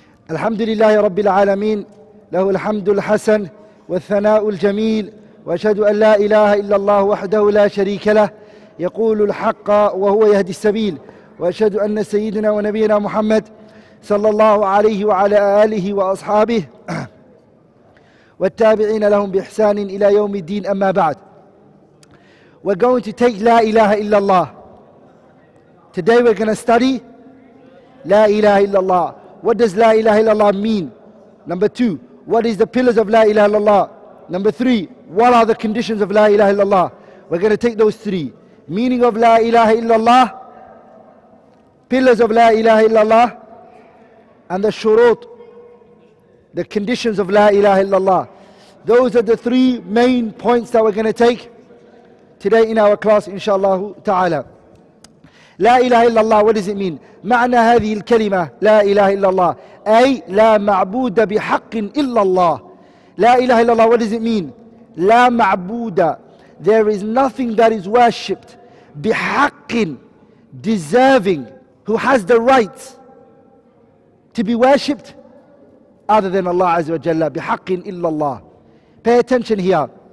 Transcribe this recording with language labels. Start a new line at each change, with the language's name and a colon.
Arabic: الحمد لله رب العالمين، له الحمد الحسن والثناء الجميل، وأشهد أن لا إله إلا الله وحده لا شريك له، يقول الحق وهو يهدي السبيل، وأشهد أن سيدنا ونبينا محمد صلى الله عليه وعلى آله وأصحابه والتابعين لهم بإحسان إلى يوم الدين. أما بعد،
English: we're going to take لا إله إلا الله. Today we're going to study لا إله إلا الله. What does لا إله إلا الله mean? Number two, what is the pillars of لا إله إلا الله? Number three, what are the conditions of لا إله إلا الله? We're going to take those three. Meaning of لا إله إلا الله, pillars of لا إله إلا الله, and the شروط, the conditions of لا إله إلا الله. Those are the three main points that we're going to take today in our class, inshallah ta'ala. لا إله إلا الله, what does it mean?
Arabic: معنى هذه الكلمة لا إله إلا الله, أي لا معبود بحق إلا الله.
English: لا إله إلا الله, what does it mean?
Arabic: لا معبود,
English: there is nothing that is worshipped بحق, deserving, who has the right to be worshipped other than Allah
Arabic: عز وجل, بحق إلا الله.
English: Pay attention here.